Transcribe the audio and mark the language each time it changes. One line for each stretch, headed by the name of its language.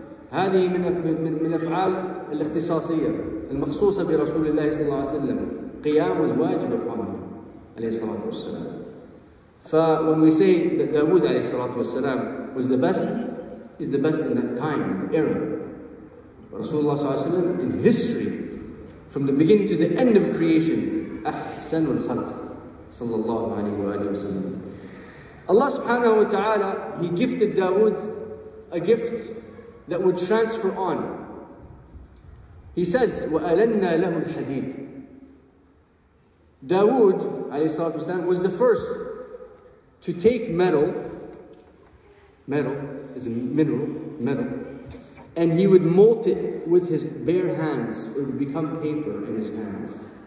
Arabic: هذه من أفعال الاختصاصية المخصوصة برسول الله صلى الله عليه وسلم.
English: Qiyam was wajib upon him, alayhi salatu wasalam. When we say that Dawood alayhi salatu wasalam was the best, he's the best in that time, era. Rasulullah sallallahu alayhi wasalam in history, from the beginning to the end of creation, ahsanul khalq, sallallahu alayhi wa sallam. Allah subhanahu wa ta'ala, he gifted Dawood a gift that would transfer on. He says,
Arabic: وَأَلَنَّا لَهُ الْحَدِيدِ.
English: Dawood, alayhi salatu wasalam, was the first to take metal, metal is a mineral, metal, and he would molt it with his bare hands. It would become paper in his hands.